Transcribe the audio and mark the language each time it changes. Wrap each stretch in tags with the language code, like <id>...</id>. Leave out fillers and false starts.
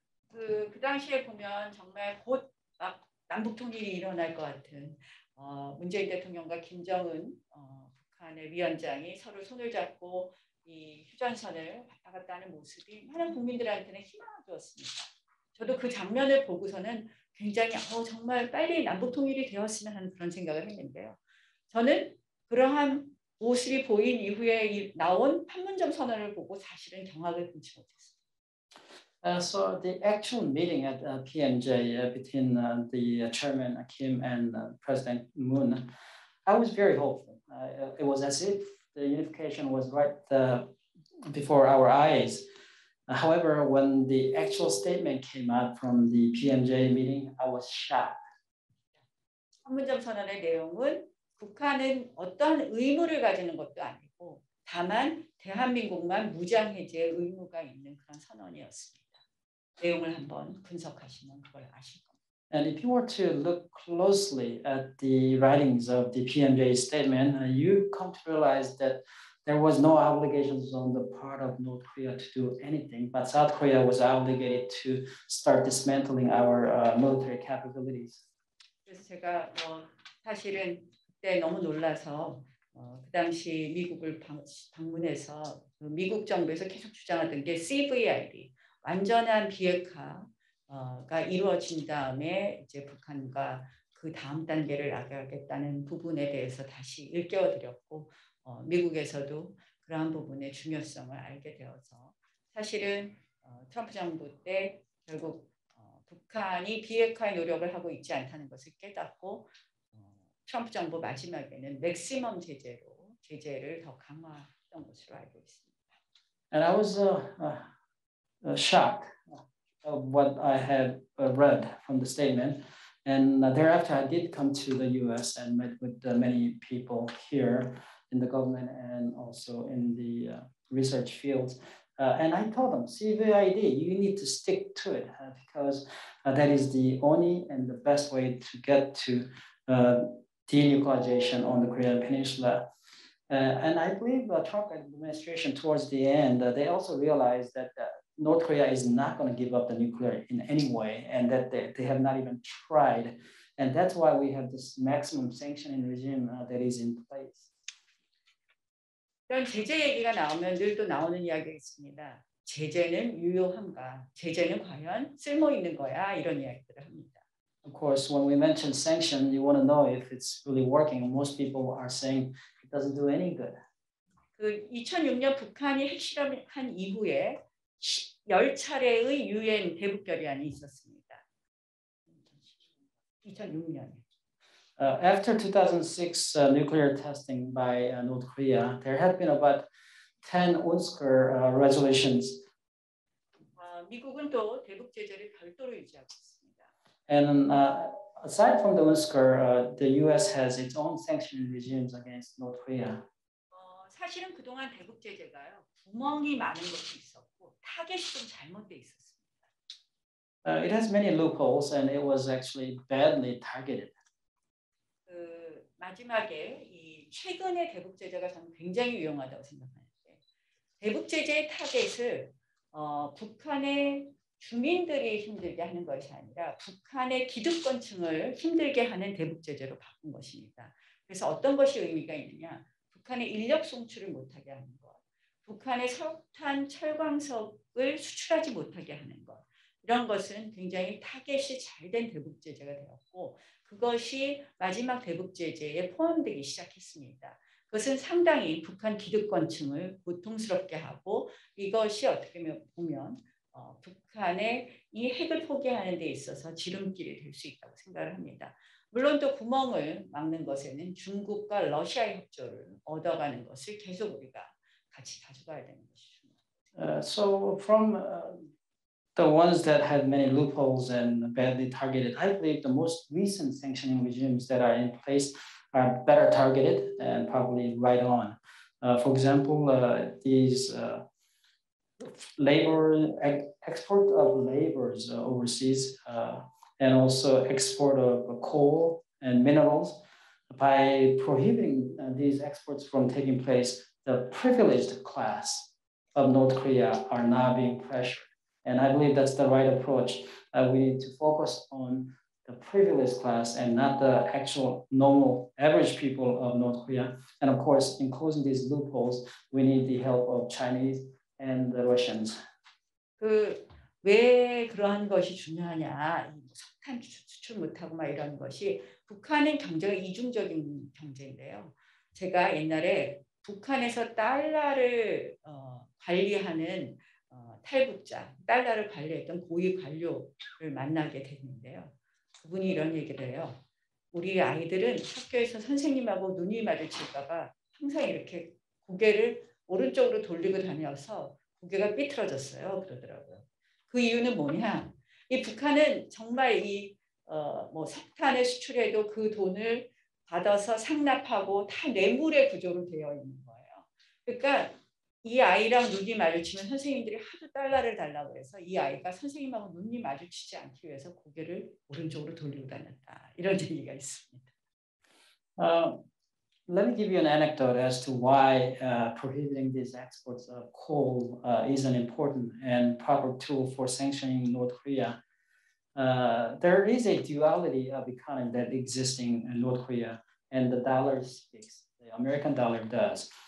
<ko>그 당시에 보면 정말 곧 막 남북 통일이 일어날 것 같은 문재인 대통령과 김정은 북한의 위원장이 서로 손을 잡고 이 휴전선을 왔다 갔다 하는 모습이 많은 국민들한테는 희망을 주었습니다. 저도 그 장면을 보고서는 굉장히 정말 빨리 남북 통일이 되었으면 하는 그런 생각을 했는데요. 저는 그러한 모습이 보인 이후에 나온 판문점 선언을 보고 사실은 경악을 금치 못했습니다.</ko> <en>So the actual meeting at PMJ between the chairman Kim and President Moon, I was very hopeful. It was as if the unification was right before our eyes. However, when the actual statement came out from the PMJ meeting, I was shocked.</en> <ko>판문점 선언의 내용은 북한은 어떤 의무를 가지는 것도 아니고 다만 대한민국만 무장 해제의 의무가 있는 그런 선언이었습니다. 내용을 한번 분석하시면 그걸 아실 겁니다.</ko> <en>And if you were to look closely at the writings of the PMJ statement, you come to realize that there was no obligations on the part of North Korea to do anything, but South Korea was obligated to start dismantling our military capabilities.</en> <ko>그래서 제가 사실은 그때 너무 놀라서 그 당시 미국을 방문해서 미국 정부에서 계속 주장하던 게 CVID, 완전한 비핵화가 이루어진 다음에 이제 북한과 그 다음 단계를 나가겠다는 부분에 대해서 다시 일깨워드렸고 미국에서도 그러한 부분의 중요성을 알게 되어서 사실은 트럼프 정부 때 결국 북한이 비핵화 노력을 하고 있지 않다는 것을 깨닫고 트럼프 정부 마지막에는 맥시멈 제재로 제재를 더 강화했던 것으로 알고 있습니다.</ko> <en>And I was shocked of what I had read from the statement. And thereafter, I did come to the U.S. and met with many people here in the government and also in the research fields. And I told them, CVID, you need to stick to it because that is the only and the best way to get to denuclearization on the Korean Peninsula. And I believe the Trump administration towards the end, they also realized that North Korea is not going to give up the nuclear in any way and that they have not even tried. And that's why we have this maximum sanctioning regime that is in place.</en> <ko>이런 제재 얘기가 나오면 늘 또 나오는 이야기가 있습니다. 제재는 유효한가? 제재는 과연 쓸모 있는 거야? 이런 이야기들을 합니다.</ko> <en>Of course, when we mention sanction, you want to know if it's really working. Most people are saying it doesn't do any good.</en> <ko>그 2006년 북한이 핵실험한 이후에 10차례의 유엔 대북 결의안이 있었습니다. 2006년.</ko> <en>After 2006 nuclear testing by North Korea, there had been about 10 UNSCR resolutions.</en> <ko>미국은 또 대북 제재를 별도로 유지하고 있습니다.</ko> <en>And aside from the UNSCR, the U.S. has its own sanctioning regimes against North Korea.</en> <ko>사실은 그동안 대북 제재가요 구멍이 많은 것도 있었고 타겟이 좀 잘못돼 있었습니다.</ko> <en>It has many loopholes, and it was actually badly targeted.</en> <ko>마지막에 이 최근의 대북 제재가 저는 굉장히 유용하다고 생각하는데 대북 제재의 타겟을 북한의 주민들이 힘들게 하는 것이 아니라 북한의 기득권층을 힘들게 하는 대북 제재로 바꾼 것입니다. 그래서 어떤 것이 의미가 있느냐? 북한의 인력 송출을 못하게 하는 것, 북한의 석탄 철광석을 수출하지 못하게 하는 것 이런 것은 굉장히 타겟이 잘 된 대북 제재가 되었고 그것이 마지막 대북 제재에 포함되기 시작했습니다. 그것은 상당히 북한 기득권층을 고통스럽게 하고 이것이 어떻게 보면 북한의 이 핵을 포기하는 데 있어서 지름길이 될 수 있다고 생각을 합니다. 물론 또 구멍을 막는 것에는 중국과 러시아의 협조를 얻어가는 것을 계속 우리가 같이 가져가야 되는 것이죠.</ko> <en>So from the ones that had many loopholes and badly targeted, I believe the most recent sanctioning regimes that are in place are better targeted and probably right on. For example, these labor export of laborers overseas and also export of coal and minerals, by prohibiting these exports from taking place, the privileged class of North Korea are now being pressured. And I believe that's the right approach. We need to focus on the privileged class and not the actual normal average people of North Korea. And of course, in closing these loopholes, we need the help of Chinese and the Russians.</en> <ko>그 왜 그러한 것이 중요하냐? 석탄 수출 못하고 막 이런 것이 북한은 경제가 이중적인 경제인데요. 제가 옛날에 북한에서 달러를 관리하는 탈북자, 달러를 관리했던 고위 관료를 만나게 됐는데요. 그분이 이런 얘기를 해요. 우리 아이들은 학교에서 선생님하고 눈이 마주칠까봐 항상 이렇게 고개를 오른쪽으로 돌리고 다녀서 고개가 삐뚤어졌어요. 그러더라고요. 그 이유는 뭐냐? 이 북한은 정말 이 뭐 석탄의 수출에도 그 돈을 받아서 상납하고 다 뇌물의 구조로 되어 있는 거예요. 그러니까 이 아이랑 눈이 마주치면 선생님들이 하도 달러를 달라고 해서 이 아이가 선생님하고 눈이 마주치지 않기 위해서 고개를 오른쪽으로 돌리고 다녔다. 이런 얘기가 있습니다.</ko> <en>Let me give you an anecdote as to why prohibiting these exports of coal is an important and proper tool for sanctioning North Korea. There is a duality of economy that exists in North Korea, and the dollar speaks, the American dollar does.</en>